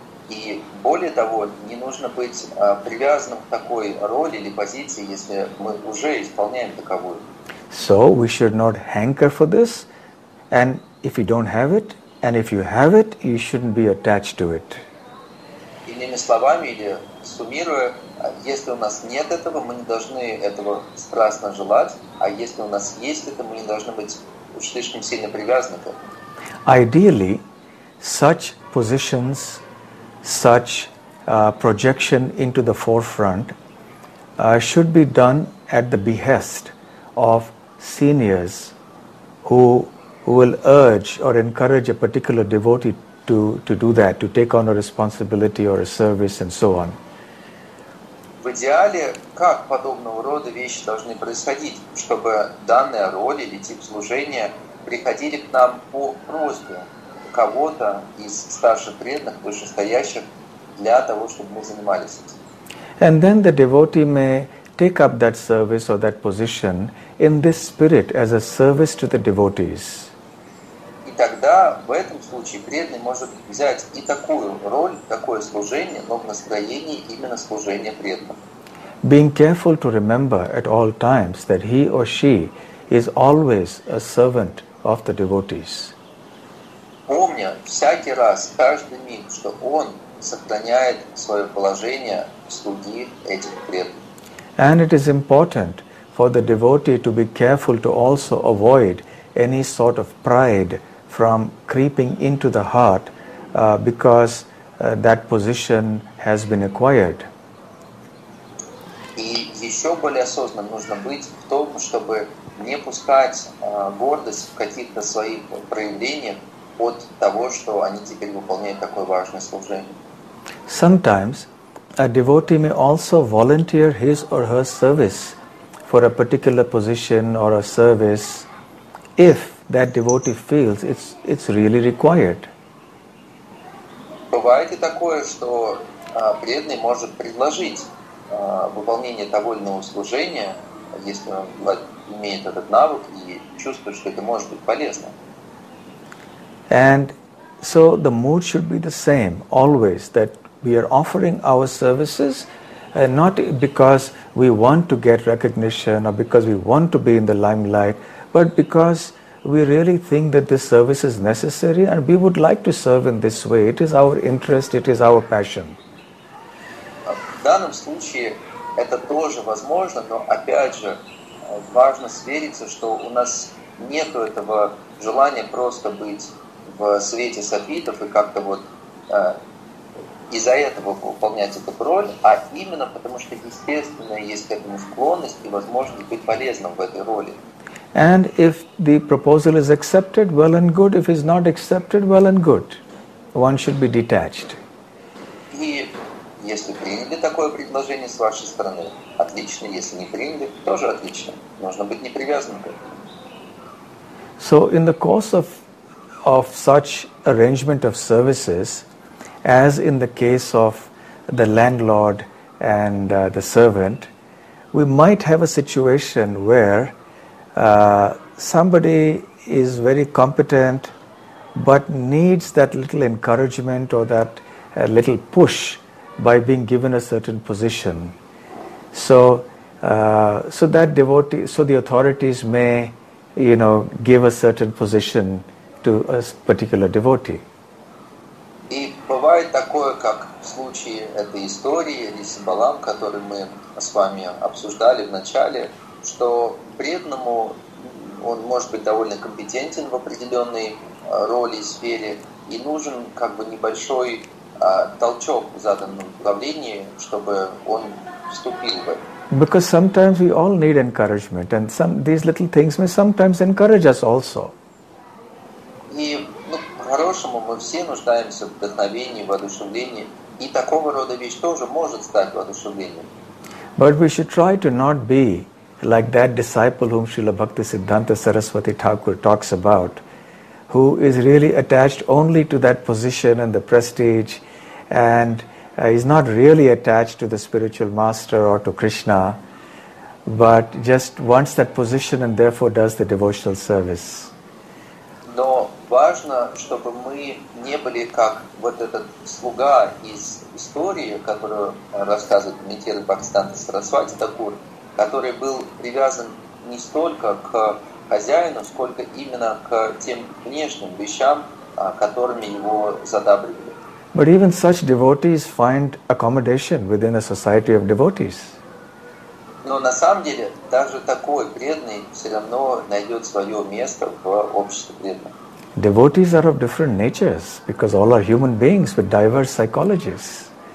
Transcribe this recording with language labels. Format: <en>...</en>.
<ru>И более того, не нужно быть привязанным к такой роли или позиции, если мы уже исполняем таковую.</ru> <en>So we should not hanker for this, and if you don't have it, and if you have it, you shouldn't be attached to it.</en> <ru>Иными словами, или суммируя, если у нас нет этого, мы не должны этого страстно желать, а если у нас есть это, мы не должны быть уж слишком сильно привязаны к этому.</ru> <en>Ideally, such positions, such projection into the forefront should be done at the behest of seniors who will urge or encourage a particular devotee to do that, to take on a responsibility or a service and so on.</en> <ru>В идеале, как подобного рода вещи должны происходить, чтобы данная роль или тип служения приходили к нам по просьбе кого-то из старших преданных, вышестоящих, для того, чтобы мы занимались этим.</ru> <en>And then the devotee may take up that service or that position in this spirit as a service to the devotees.</en> <ru>И тогда в этом случае преданный может взять и такую роль, такое служение, но в настроении именно служения преданным.</ru> <en>Being careful to remember at all times that he or she is always a servant of the devotees.</en> <ru>Помня всякий раз, каждый миг, что он сохраняет свое положение слуги этих преданных.</ru> <en>And it is important for the devotee to be careful to also avoid any sort of pride from creeping into the heart because that position has been acquired.</en> <ru>И еще более осознанным нужно быть в том, чтобы не пускать гордость в каких-то своих проявлениях от того, что они теперь выполняют такое важное служение.</ru> <en>Sometimes a devotee may also volunteer his or her service for a particular position or a service if that devotee feels it's really required.</en> <ru>Бывает и такое, что преданный может предложить выполнение того или иного служения, если он имеет этот навык и чувствует, что это может быть полезно.</ru> <en>And so the mood should be the same always, that we are offering our services not because we want to get recognition or because we want to be in the limelight, but because we really think that this service is necessary and we would like to serve in this way. It is our interest, it is our passion.</en> <ru>В данном случае это тоже возможно, но опять же важно свериться, что у нас нет этого желания просто быть в свете софитов и как-то вот из-за этого выполнять эту роль, а именно потому что естественно есть к этому склонность и возможность быть полезным в этой роли.</ru> <en>And if the proposal is accepted, well and good. If it's not accepted, well and good. one should be detached.</en> <ru>И если приняли такое предложение с вашей стороны, отлично. Если не приняли, тоже отлично. Нужно быть непривязанным к этому.</ru> <en>So in the course of such arrangement of services, as in the case of the landlord and the servant, we might have a situation where somebody is very competent but needs that little encouragement or that little push by being given a certain position. So that devotee, so the authorities may, you know, give a certain position to a particular devotee.</en> <ru>И бывает такое, как в случае этой истории Риси Балам, которую мы с вами обсуждали в начале, что преданному он может быть довольно компетентен в определенной роли и сфере, и нужен как бы небольшой толчок в заданном направлении, чтобы он вступил в это.</ru> <en>Because sometimes we all need encouragement, and some these little things may sometimes encourage us also.</en> <ru>И, ну, по-хорошему, мы все нуждаемся в вдохновении, воодушевлении, и такого рода вещь тоже может стать воодушевлением.</ru> <en>But we should try to not be like that disciple whom Srila Bhaktisiddhanta Saraswati Thakur talks about, who is really attached only to that position and the prestige, and is not really attached to the spiritual master or to Krishna, but just wants that position and therefore does the devotional service.</en> <ru>Но важно, чтобы мы не были как вот этот слуга из истории, которую рассказывает Митхера Бхактисиддханта Сарасвати Такур, который был привязан не столько к хозяину, сколько именно к тем внешним вещам, которыми его задабривали.</ru> <en>But even such devotees find accommodation within a society of devotees.</en> <ru>Но на самом деле даже такой преданный все равно найдет свое место в обществе преданных.</ru> <en>Devotees are of different natures because all are human beings with diverse psychologies.</en>